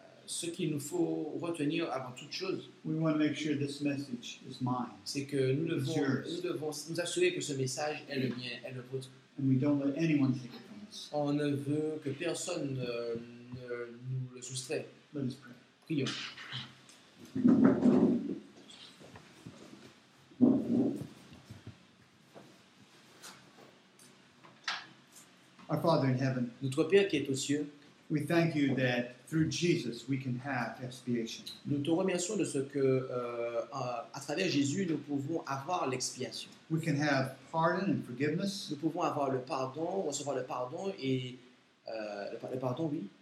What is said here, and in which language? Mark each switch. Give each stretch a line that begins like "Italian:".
French: ce qu'il nous faut retenir avant toute chose,
English: we want to make sure this message is mine.
French: C'est que nous devons nous assurer que ce message est le mien, est le vôtre.
English: And we don't let anyone take it from us.
French: On ne veut que personne ne nous le soustrait.
English: Let us pray.
French: Prions.
English: Our Father in heaven,
French: notre Père qui est aux cieux,
English: we thank you that through Jesus we can have expiation.
French: Nous te remercions de ce que à travers Jésus nous pouvons avoir l'expiation.
English: We can have pardon and forgiveness.
French: Nous pouvons avoir le pardon, recevoir le pardon et le pardon, oui.